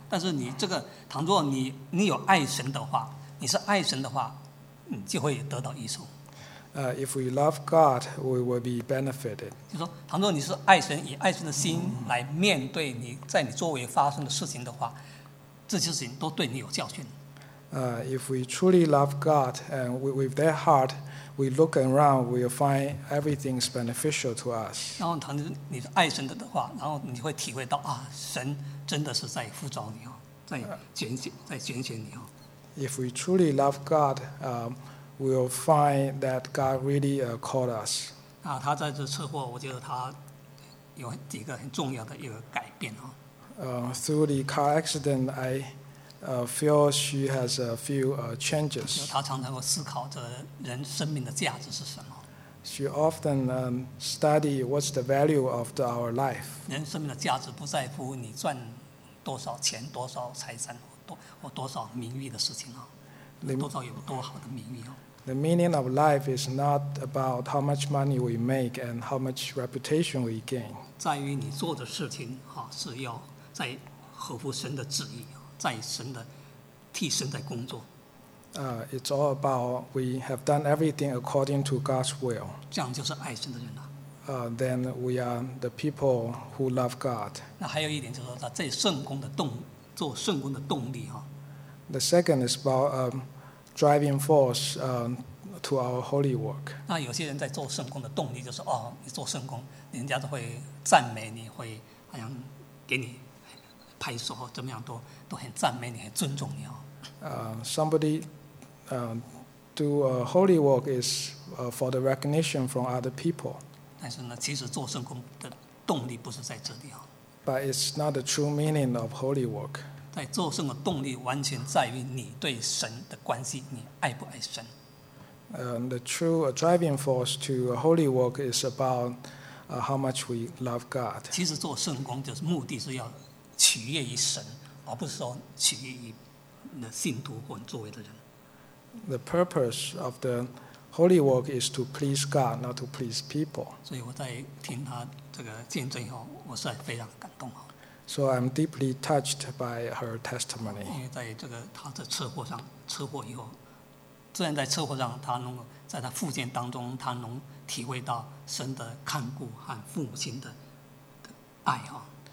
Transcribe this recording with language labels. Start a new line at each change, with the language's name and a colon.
Chinese: 但是你这个，倘若你有爱神的话，你是爱神的话，你就会得到益处。
English: If we love God, we will be benefited.
Chinese: 就说，倘若你是爱神，以爱神的心来面对你在你周围发生的事情的话，这些事情都对你有教训。
English: If we truly love God and with their heart, we look around, we'll find everything's beneficial to us.
Chinese: 然后当你爱神的话，然后你会体会到啊，神真的是在呼召你哦，在拣选你哦。
English: If we truly love God, we'll find that God really called us.
Chinese: 啊，他在这车祸，我觉得他有几个很重要的一个改变哦。
English: Through the car accident, I feel she has a few changes.
Chinese: 她常常会思考这人生命的价值是什么。
English: She often study what's the value of our life.
Chinese: 人生命的价值不在乎你赚多少钱、多少财产、多少名誉的事情啊，多少有多好的名誉啊。
English: The meaning of life is not about how much money we make and how much reputation we gain.
Chinese: 在于你做的事情啊，是要在合乎神的旨意，在神的替神在工作。
English: It's all about we have done everything according to God's will.
Chinese: 这样就是爱神的人了。
English: Then we are the people who love God.
Chinese: 那还有一点就是说，在圣工的动做圣工的动力哈。
English: The second is about driving force to our holy work.
Chinese: 那有些人在做圣工的动力就是哦，你做圣工，人家都会赞美你，会好像给你拍手，怎么样都很赞美你，很尊重你哦。
English: Somebody do a holy work is for the recognition from other people.
Chinese: 但是呢，其实做圣工的动力不是在这里哦。
English: But it's not the true meaning of holy work.
Chinese: 在做圣的动力完全在于你对神的关系，你爱不爱神。
English: The true driving force to a holy work is about how much we love God.
Chinese: 其实做圣工就是目的是要取悦于神，而不是说取悦于你的信徒或你周围的人。
English: The purpose of the holy work is to please God, not to please people.
Chinese: 所以我在听他这个见证以后，我是非常感动。
English: So I'm deeply touched by her testimony.
Chinese: 因为在这个他的车祸上，车祸以后，虽然在车祸上，他能在他复健当中，他能体会到神的看顾和父母亲的爱哈。